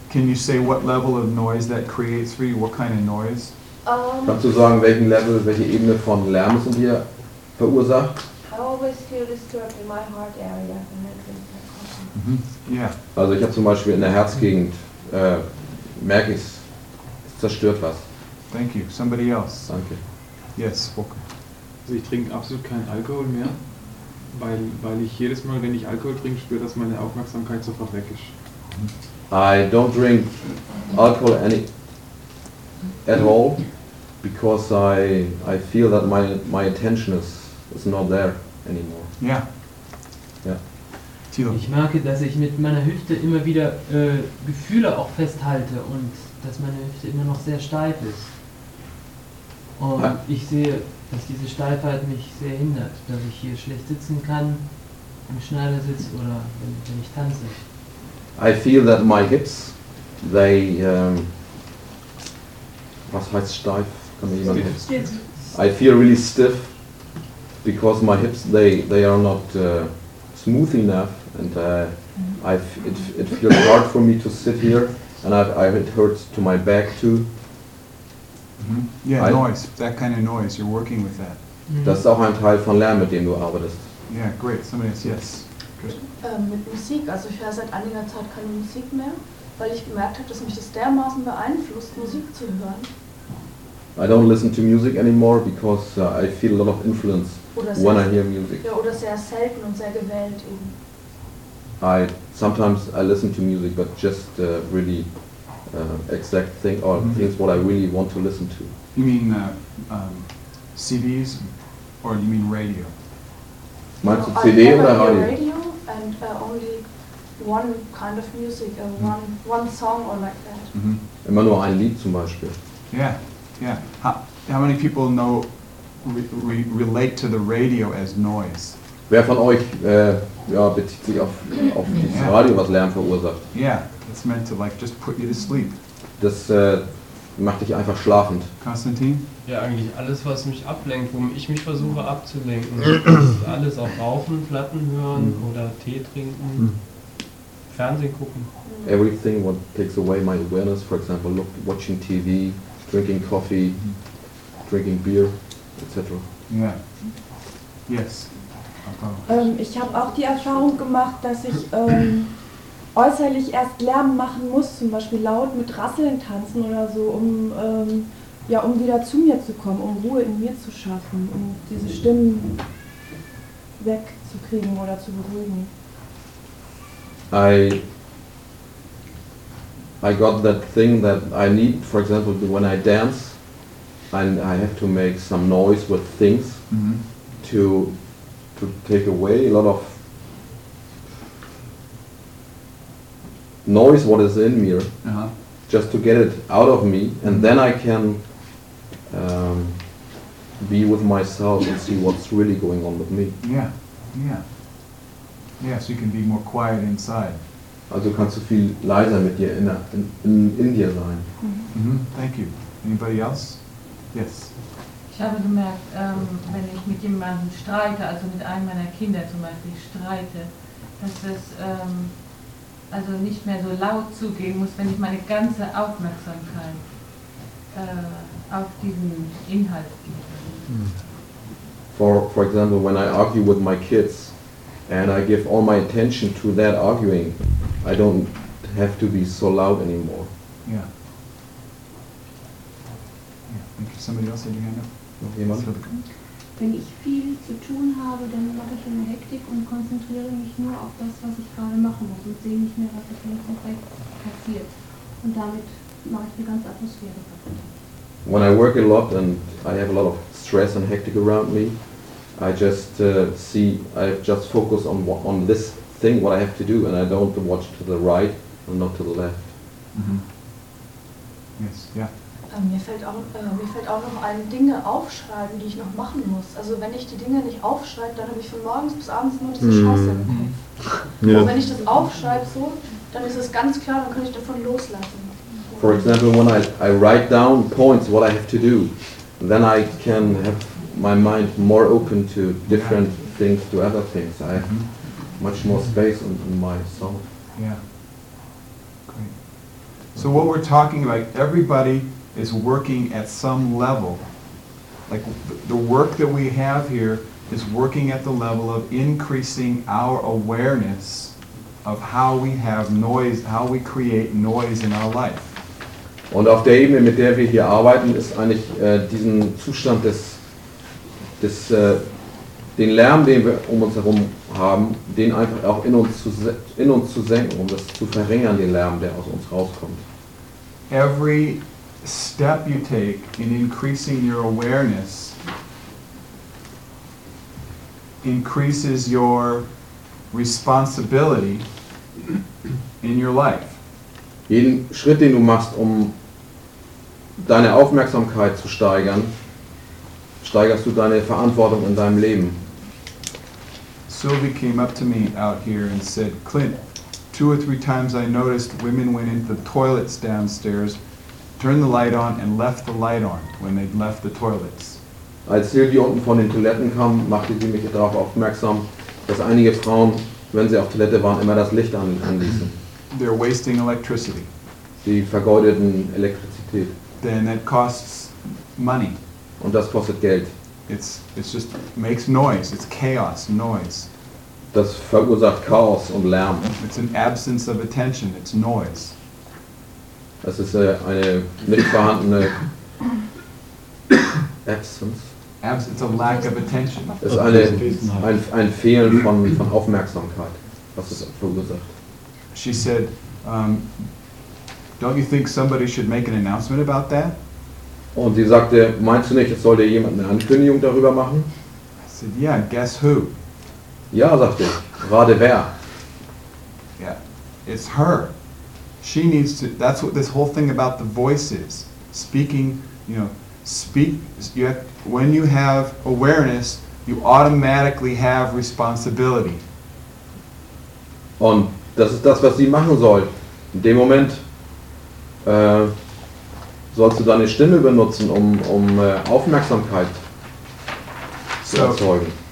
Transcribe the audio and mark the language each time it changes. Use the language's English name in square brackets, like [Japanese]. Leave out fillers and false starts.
[English] Can you say what level of noise that creates for you? What kind of noise? [German] Kannst du sagen, welche Ebene von Lärm es in dir verursacht? [English] I always feel disturbed in my heart area when I drink that coffee. Mm-hmm. Yeah. [German] Also ich habe zum Beispiel in der Herzgegend merke ich es zerstört was. [English] Thank you. Somebody else. [German] Danke. [English] Yes. Okay. [German] Also ich trinke absolut keinen Alkohol mehr. Weil ich jedes Mal, wenn ich Alkohol trinke, spüre, dass meine Aufmerksamkeit sofort weg ist. [English] I don't drink alcohol at all, because I feel that my attention is not there anymore. [German] Ja. [English] Yeah. [German] Ja. Ich merke, dass ich mit meiner Hüfte immer wieder Gefühle auch festhalte und dass meine Hüfte immer noch sehr steif ist. Und ich sehe, dass diese Steifheit mich sehr hindert, dass ich hier schlecht sitzen kann, im Schneidersitz oder wenn ich tanze. [English] I feel that my hips, they, [German] was heißt steif? Kann man jemanden hips? [English] I feel really stiff, because my hips, they are not smooth enough, and it feels hard for me to sit here, and it hurts to my back too. Mm-hmm. Yeah, noise. That kind of noise. You're working with that. Mm-hmm. [German] Das ist auch ein Teil von Lärm, mit dem du arbeitest. [English] Yeah, great. Somebody else, yes. [German] Mit Musik. Also ich höre seit einiger Zeit keine Musik mehr, weil ich gemerkt habe, dass mich das dermaßen beeinflusst, Musik zu hören. [English] I don't listen to music anymore, because I feel a lot of influence when I hear music. [German] Ja, oder sehr selten und sehr gewählt eben. [English] Sometimes I listen to music, but just really. Exact thing or mm-hmm. things what I really want to listen to. You mean CDs or you mean radio? [German] Meinst du CD oder radio? [English] never hear radio and only one kind of music, one song or like that. [German] Mm-hmm. Immer nur ein Lied zum Beispiel. [English] Yeah, yeah. How many people know relate to the radio as noise? [German] Wer von euch bezieht sich auf dieses yeah. Radio, was Lärm verursacht? [English] Yeah. It's meant to like just put you to sleep. [German] Das macht dich einfach schlafend. Konstantin? Ja, eigentlich alles, was mich ablenkt, wo ich mich versuche abzulenken. Alles, auch rauchen, Platten hören oder Tee trinken, Fernsehen gucken. [English] Everything what takes away my awareness, for example, watching TV, drinking coffee, drinking beer, etc. Yeah. Yes. [German] Ich habe auch die Erfahrung gemacht, dass ich äußerlich erst Lärm machen muss, zum Beispiel laut mit Rasseln tanzen oder so, um ja, um wieder zu mir zu kommen, um Ruhe in mir zu schaffen, um diese Stimmen wegzukriegen oder zu beruhigen. [English] I got that thing that I need, for example, when I dance, I have to make some noise with things, mm-hmm. to take away a lot of noise what is in me, just to get it out of me, and then I can be with myself and see what's really going on with me. Yeah, so you can be more quiet inside. [German] Also kannst du viel leiser mit dir in dir sein. [English] Thank you. Anybody else? Yes. [German] Ich habe gemerkt, wenn ich mit jemandem streite, also mit einem meiner Kinder zum Beispiel streite, dass das also nicht mehr so laut zugehen muss, wenn ich meine ganze Aufmerksamkeit auf diesen Inhalt gebe. [English] For example, when I argue with my kids and I give all my attention to that arguing, I don't have to be so loud anymore. Yeah. Somebody else had your hand up? [German] Wenn ich viel zu tun habe, dann mache ich eine Hektik und konzentriere mich nur auf das, was ich gerade machen muss und sehe nicht mehr, was da vielleicht noch rechts passiert. Und damit mache ich die ganze Atmosphäre kaputt. [English] When I work a lot and I have a lot of stress and hectic around me, I just focus on this thing, what I have to do, and I don't watch to the right and not to the left. Yes, yeah. [German] Mir fällt auch noch ein, Dinge aufschreiben, die ich noch machen muss. Also wenn ich die Dinge nicht aufschreibe, dann habe ich von morgens bis abends nur diese Scheiße. Yeah. Und wenn ich das aufschreibe so, dann ist es ganz klar, dann kann ich davon loslassen. [English] For example, when I write down points, what I have to do, then I can have my mind more open to different things, to other things. I have much more space in my soul. Yeah. Great. So what we're talking about, everybody is working at some level. Like the work that we have here is working at the level of increasing our awareness of how we have noise, how we create noise in our life. [German] Und auf der Ebene, mit der wir hier arbeiten, ist eigentlich diesen Zustand den Lärm, den wir um uns herum haben, den einfach auch in uns zu senken, um das zu verringern, den Lärm, der aus uns rauskommt. [English] Every step you take in increasing your awareness increases your responsibility in your life. [German] Jeden Schritt, den du machst, um deine Aufmerksamkeit zu steigern, steigerst du deine Verantwortung in deinem Leben. [English] Sylvie came up to me out here and said, Clint, two or three times I noticed women went into the toilets downstairs, turned the light on and left the light on when they'd left the toilets. [German] Als Sylvie unten von den Toiletten kam, machte sie mich darauf aufmerksam, dass einige Frauen, wenn sie auf Toilette waren, immer das Licht anließen. [English] They're wasting electricity. [German] Sie vergeudeten Elektrizität. [English] Then it costs money. [German] Und das kostet Geld. [English] It's just makes noise. It's chaos, noise. [German] Das verursacht Chaos und Lärm. [English] It's an absence of attention. It's noise. [German] Das ist eine nicht vorhandene Absence. [English] It's a lack of attention. [German] Es ist ein Fehlen von Aufmerksamkeit, was es verursacht. [English] She said, don't you think somebody should make an announcement about that? [German] Und sie sagte, meinst du nicht, es sollte jemand eine Ankündigung darüber machen? [English] I said, yeah, guess who? [German] Ja, sagte ich, rate wer? [English] Yeah, it's her. She needs to, that's what this whole thing about the voice is. Speaking, you know, speak, you have, when you have awareness, you automatically have responsibility. [German] Und das ist das, was sie machen soll. In dem Moment sollst du deine Stimme benutzen, um Aufmerksamkeit zu erzeugen.